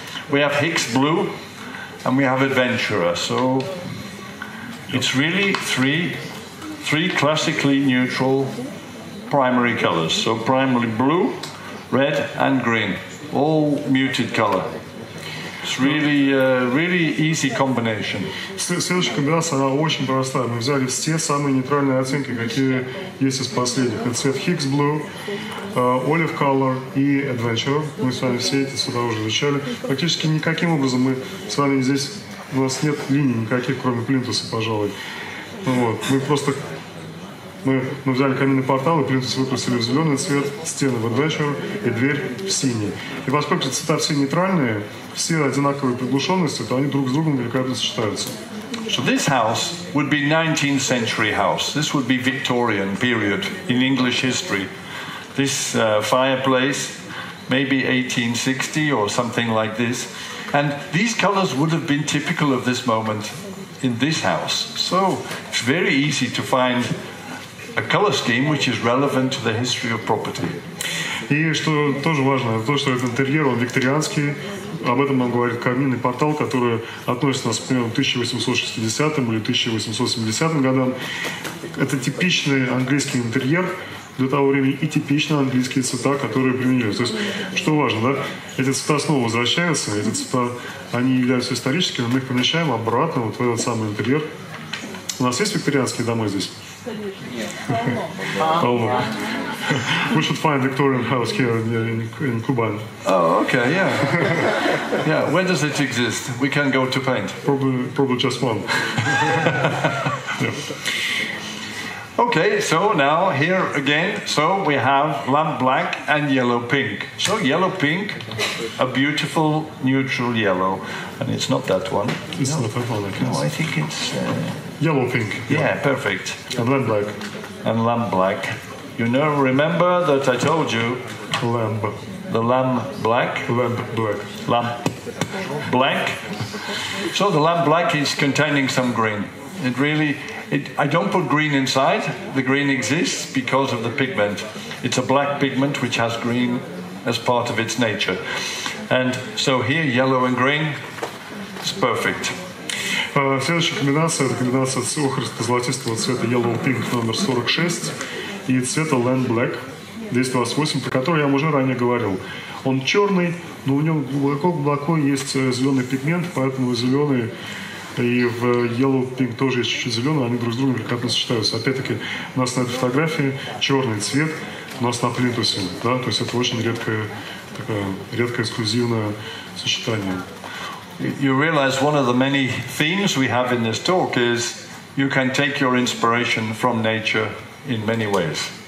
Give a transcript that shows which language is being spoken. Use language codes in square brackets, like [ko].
[en] We have Higgs blue, and we have adventurer. So it's really three classically neutral primary colors. So primarily blue, red, and green, all muted color. It's really, really easy combination. [ru] Следующая комбинация, она очень простая. Мы взяли все самые нейтральные оттенки, какие есть из последних. Это цвет Higgs Blue, Olive Color и Adventure. Мы с вами все эти сюда уже изучали. Практически никаким образом мы с вами здесь... У нас нет линий никаких, кроме плинтуса, пожалуй. Ну вот, мы просто... Мы взяли каменный портал и плинтус выкрасили в зеленый цвет, стены в Adventure и дверь в синий. И поскольку цвета все нейтральные, все одинаковые приглушенности, то они друг с другом великолепно сочетаются. [en] So this house would be 19th century house. This would be Victorian period in English history. This fireplace, maybe 1860 or something like this. And these colors would have been typical of this moment in this house. So it's very easy to find a color scheme which is relevant to the history of property. [ru] И что тоже важно, то, что этот интерьер, он викторианский, об этом нам говорит каминный портал, который относится, например, к 1860 или 1870 годам. Это типичный английский интерьер для того времени и типичные английские цвета, которые применились. То есть, что важно, да, эти цвета снова возвращаются, эти цвета, они являются историческими, мы их помещаем обратно вот в этот самый интерьер. У нас есть викторианские дома здесь? [en] We should find Victorian house here in Kuban. Oh, okay, yeah. Yeah, where does it exist? We can go to paint. Probably just one. Yeah. Okay, so now here again, so we have lamp black and yellow pink. So yellow pink, a beautiful neutral yellow. And it's not that one. It's not that one, I guess. No, I think it's... Yellow pink. Yeah, perfect. And lamp black. And lamp black. You know, remember that I told you? Lamb. The lamb black? Lamb black. Lamb black. So the lamb black is containing some green. I don't put green inside. The green exists because of the pigment. It's a black pigment which has green as part of its nature. And so here, yellow and green, it's perfect. [ru] Следующая комбинация – это комбинация охристо золотистого цвета Yellow Pink номер 46 и цвета Land Black 228, про который я вам уже ранее говорил. Он черный, но у него глубоко есть зеленый пигмент, поэтому зеленый и в Yellow Pink тоже есть чуть-чуть зеленый, они друг с другом великолепно сочетаются. Опять-таки, у нас на этой фотографии черный цвет, у нас на плинтусе, да, то есть это очень редкое, такое редкое эксклюзивное сочетание. [en] You realize one of the many themes we have in this talk is you can take your inspiration from nature in many ways.